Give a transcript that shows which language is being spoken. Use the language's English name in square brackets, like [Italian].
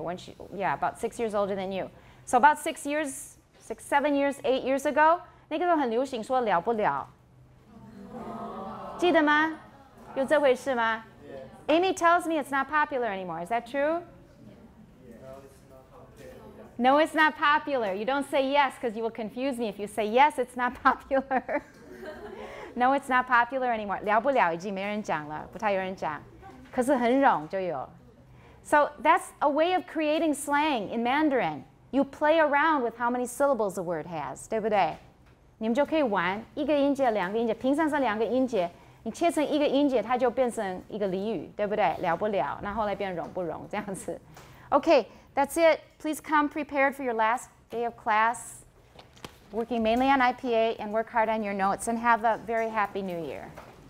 [English] About 6 years older than you. So about 6 years, six, 7 years, 8 years ago, [Chinese] 那个时候很流行说了不了.记得吗?有这回事吗? [English] Yeah. Amy tells me it's not popular anymore. Is that true? No, it's not popular. You don't say yes because you will confuse me if you say yes, it's not popular. No, it's not popular anymore. [Chinese] 聊不了已经没人讲了,不太有人讲。可是很容就有. [English] So that's a way of creating slang in Mandarin. You play around with how many syllables a word has, [Chinese] 对不对? 你们就可以玩,一个音节,两个音节,平常是两个音节, 你切成一个音节，它就变成一个俚语，对不对？了不了，那后来变容不容这样子。 [English] Okay, that's it. Please come prepared for your last day of class, working mainly on IPA, and work hard on your notes, and have a very happy New Year.